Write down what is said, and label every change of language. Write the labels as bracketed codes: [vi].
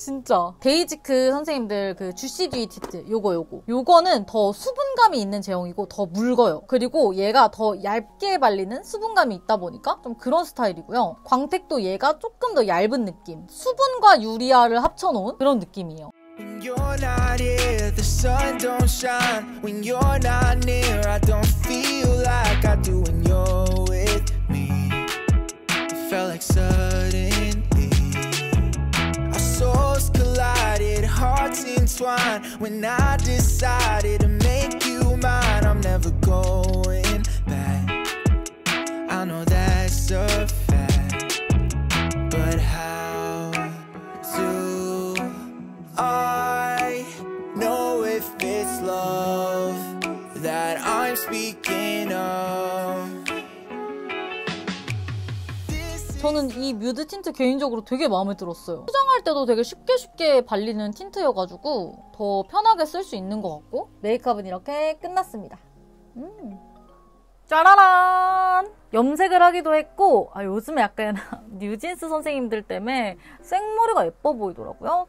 [ko] 진짜 데이지크 선생님들 그 주시뒤 틴트 요거 요거는 더 수분감이 있는 제형이고 더 묽어요. 그리고 얘가 더 얇게 발리는 수분감이 있다 보니까 좀 그런 스타일이고요. 광택도 얘가 조금 더 얇은 느낌, 수분과 유리알을 합쳐놓은 그런 느낌이에요. [en] When you're not here, the sun don't shine. When you're not near, I don't feel like I do when you're with me. Felt like suddenly our souls collided, hearts entwined. When I decided to make you mine, I'm never going back. I know that's a fact, but how do I know if it's love that I'm speaking of? [ko] 저는 이 뮤드 틴트 개인적으로 되게 마음에 들었어요. 포장할 때도 되게 쉽게 발리는 틴트여가지고 더 편하게 쓸 수 있는 것 같고 메이크업은 이렇게 끝났습니다. 짜라란! 염색을 하기도 했고 아, 요즘에 약간 뉴진스 선생님들 때문에 생머리가 예뻐 보이더라고요.